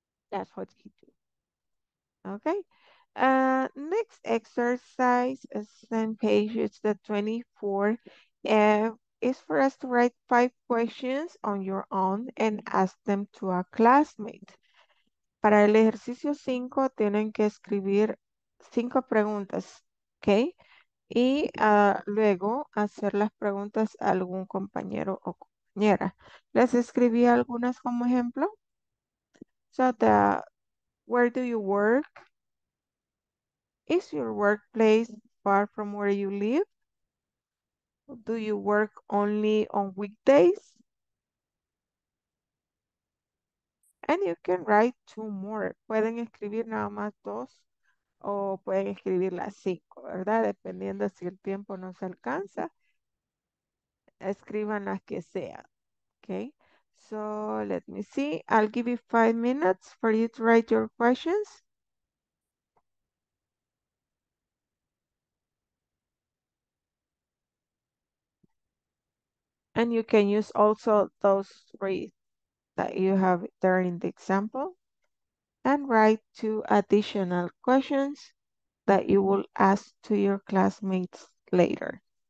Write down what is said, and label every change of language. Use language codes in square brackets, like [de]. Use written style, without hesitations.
[en] That's what he do. Okay. Next exercise, same page, it's the 24. It's for us to write 5 questions on your own and ask them to a classmate. [es] Para el ejercicio 5, tienen que escribir 5 preguntas, okay? Y luego hacer las preguntas a algún compañero o compañera. Les escribí algunas como ejemplo. [en] So, where do you work? Is your workplace far from where you live? Do you work only on weekdays? And you can write 2 more. [es] Pueden escribir nada más 2 o pueden escribir las 5, ¿verdad? Dependiendo si el tiempo no se alcanza, escriban las que sean. [en] Okay. So let me see. I'll give you 5 minutes for you to write your questions. And you can use also those 3 that you have there in the example and write 2 additional questions that you will ask to your classmates later.